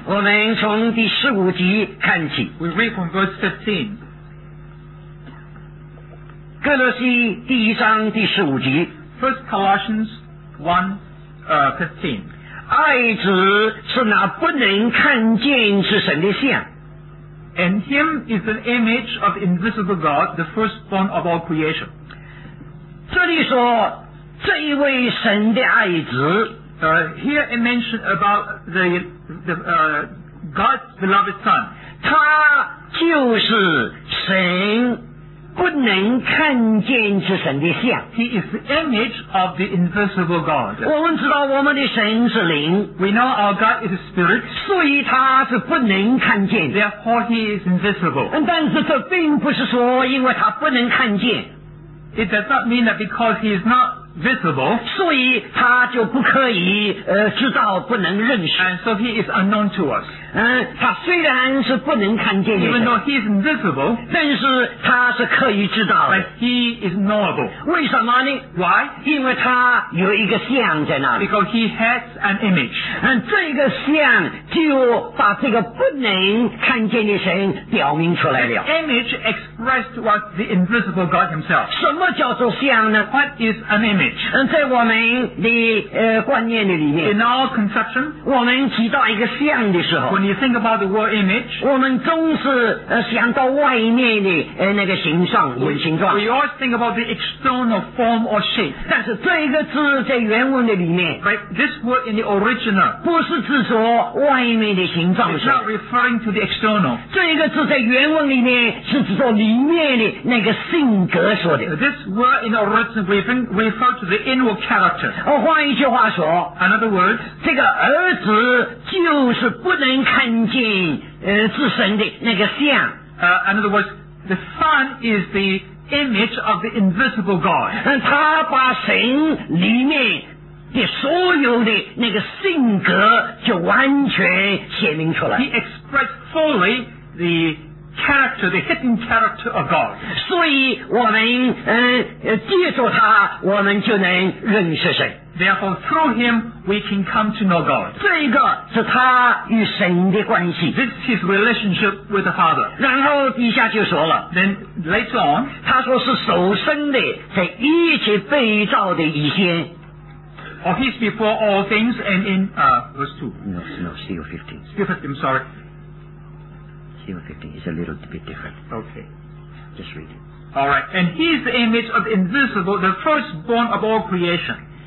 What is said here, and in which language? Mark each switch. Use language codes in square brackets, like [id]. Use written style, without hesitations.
[zh] 我们从第十五节看起。 [en] We read from verse 15. [zh] 哥罗西第一章第十五节 [en] First Colossians 1:15 [zh] 爱子是那不能看见之神的像 [en] And him is an image of invisible God, the firstborn of all creation. [zh] 这里说这一位神的爱子 [en] Here it mentioned about the God's beloved son. [zh] 他就是神不能看见之神的像。 [en] He is the image of the invisible God. [zh] 我们知道我们的神是灵。 [en] We know our God is a spirit. [zh] 所以他是不能看见。 [en] Therefore he is invisible. [zh] 但是这并不是说因为他不能看见。 [en] It does not mean that because he is not visible. [zh] 所以他就不可以知道不能认识。 [en] And so he is unknown to us. [zh] 他虽然是不能看见的。 [en] Even though he is invisible. [zh] 但是他是可以知道的。 [en] But he is knowable. [zh] 为什么呢 [en] ?Why? [zh] 因为他有一个像在那里。 [en] Because he has an image. [zh] 这个像就把这个不能看见的神表明出来了。 [en] The image expressed what the invisible God himself. [zh] 什么叫做像呢 [en] ?What is an image? [zh] 在我们的观念的里面 [en] In our conception [zh] 我们提到一个像的时候 [en] When you think about the word image [zh] 我们总是想到外面的那个形状 形状 [en] We always think about the external form or shape [zh] 但是这一个字在原文的里面 [en] Right, this word in the original [zh] 不是指说外面的形状 [en] It's not referring to the external [zh] 这一个字在原文里面是指说里面的那个性格说的 [en] This word in the original refer to the inward character. [zh] 换一句话说 [en] In other words, [zh] 这个儿子就是不能看见自身的那个像。 [en] In other words, the son is the image of the invisible God. [zh] 他把神里面的所有的那个性格就完全显明出来。 [en] He expressed fully the character, the hidden character of God. [zh] 所以我们接触他，我们就能认识神。 [en] Therefore, through him, we can come to know God. [zh] 这一个是他与神的关系。 [en] This is his relationship with the Father. [zh] 然后底下就说了。 [en] Then later on, [zh] 他说是首生的，在一切被造的以先。 [en] Or he's before all things and in verse 2. No, still 15. Still 15, I'm sorry. Still 15 is a little bit different. Okay. Just read it. All right. And he's the image of invisible, the firstborn of all creation.